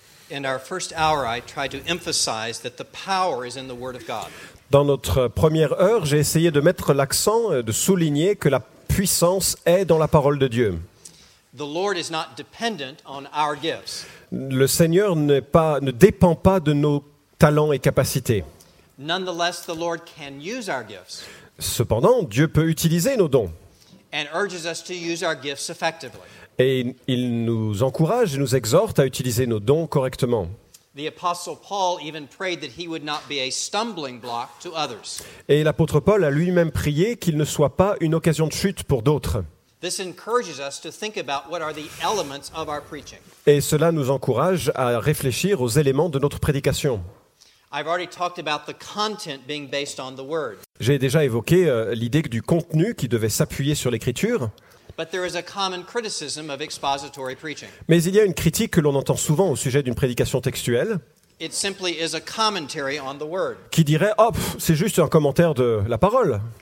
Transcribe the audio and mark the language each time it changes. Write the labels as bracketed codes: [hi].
[en] In our first hour, I tried to emphasize that the power is in the Word of God. [fr] Dans notre première heure, j'ai essayé de mettre l'accent, de souligner que la puissance est dans la parole de Dieu. [en] The Lord is not dependent on our gifts. [fr] Le Seigneur ne dépend pas de nos talents et capacités. [en] Nonetheless, the Lord can use our gifts. [fr] Cependant, Dieu peut utiliser nos dons. [en] And urges us to use our gifts effectively. [fr] Et il nous encourage et nous exhorte à utiliser nos dons correctement. [en] The apostle Paul even prayed that he would not be a stumbling block to others. [fr] Et l'apôtre Paul a lui-même prié qu'il ne soit pas une occasion de chute pour d'autres. [en] This encourages us to think about what are the elements of our preaching. [fr] Et cela nous encourage à réfléchir aux éléments de notre prédication. [en] I've already talked about the content being based on the word. [fr] J'ai déjà évoqué l'idée du contenu qui devait s'appuyer sur l'écriture. [en] But there is a common criticism of expository preaching. [fr] Mais il y a une critique que l'on entend souvent au sujet d'une prédication textuelle. [en] It simply is a commentary on the word. [fr] Qui dirait, oh, c'est juste un commentaire de la parole.